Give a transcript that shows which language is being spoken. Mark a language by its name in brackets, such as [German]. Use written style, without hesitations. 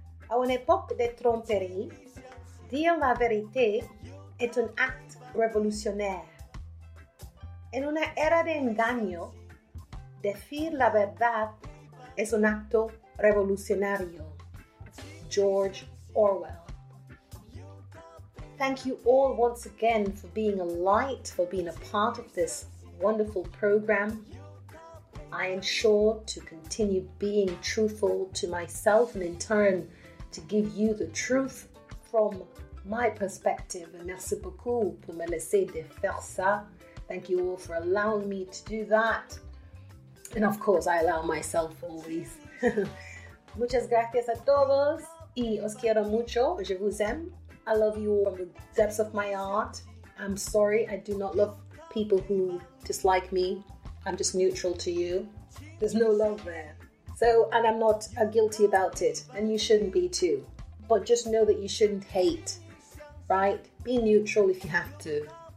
[French] A une époque de tromperie, dire la vérité est un acte révolutionnaire. [Spanish] En una era de engaño, decir la verdad es un acto revolucionario. George Orwell. [English] Thank you all once again for being a light, for being a part of this wonderful program. I am sure to continue being truthful to myself and in turn to give you the truth from my perspective. [French] Merci beaucoup pour me laisser de faire ça. [English] Thank you all for allowing me to do that. And of course, I allow myself always. [Spanish] Muchas gracias a todos y os quiero mucho. [French] Je vous aime. [English] I love you all from the depths of my heart. I'm sorry, I do not love people who dislike me. I'm just neutral to you. There's no love there. So, and I'm not guilty about it, and you shouldn't be too. But just know that you shouldn't hate, right? Be neutral if you have to.